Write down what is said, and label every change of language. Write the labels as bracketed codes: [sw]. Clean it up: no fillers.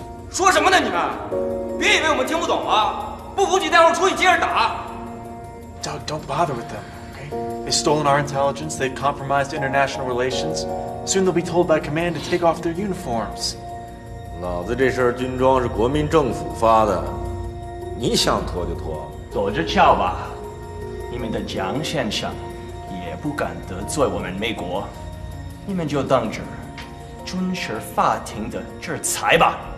[zh] 说什么呢你们？别以为我们听不懂啊！ [en] Doug, don't bother with them, okay? They've stolen our intelligence, they've compromised international relations. Soon they'll be told by command to take off their uniforms. [zh] 老子这身军装是国民政府发的，你想脱就脱，走着瞧吧。你们的蒋先生也不敢得罪我们美国，你们就当着遵守法庭的制裁吧。